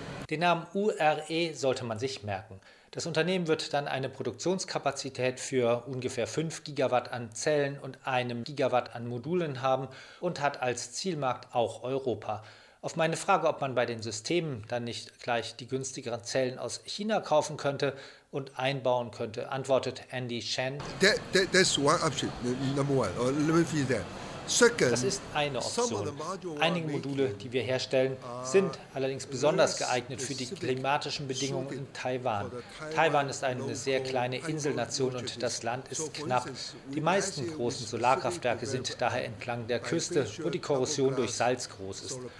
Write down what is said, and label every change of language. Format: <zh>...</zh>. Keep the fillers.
<de>Den Namen URE sollte man sich merken. Das Unternehmen wird dann eine Produktionskapazität für ungefähr 5 Gigawatt an Zellen und einem Gigawatt an Modulen haben und hat als Zielmarkt auch Europa. Auf meine Frage, ob man bei den Systemen dann nicht gleich die günstigeren Zellen aus China kaufen könnte und einbauen könnte, antwortet Andy Shen.</de> <en>That, that, that's one option, number one. Or let me finish that.</en> <de>Das ist eine Option. Einige Module, die wir herstellen, sind allerdings besonders geeignet für die klimatischen Bedingungen in Taiwan. Taiwan ist eine sehr kleine Inselnation und das Land ist knapp. Die meisten großen Solarkraftwerke sind daher entlang der Küste, wo die Korrosion durch Salz groß ist.</de>